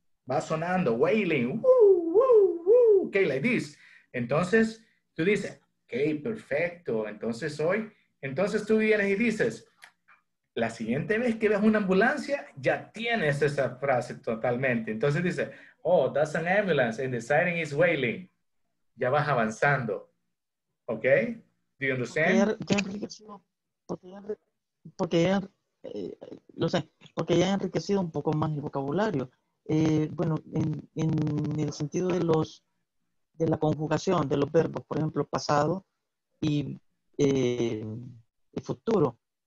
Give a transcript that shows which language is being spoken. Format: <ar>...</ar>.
<es>Va sonando, wailing, ok, like this. Entonces tú dices, ok, perfecto. Entonces tú vienes y dices, la siguiente vez que ves una ambulancia, ya tienes esa frase totalmente. Entonces dice,</es> <en>oh, that's an ambulance and the siren is wailing.</en> <es>Ya vas avanzando.</es> <en>Okay, do you</en> <es>Porque ya</es> <en>understand?</en> <es>enriquecido, lo sé, porque ya he enriquecido un poco más el vocabulario. Bueno, en el sentido de la conjugación de los verbos, por ejemplo, pasado y el futuro.</es>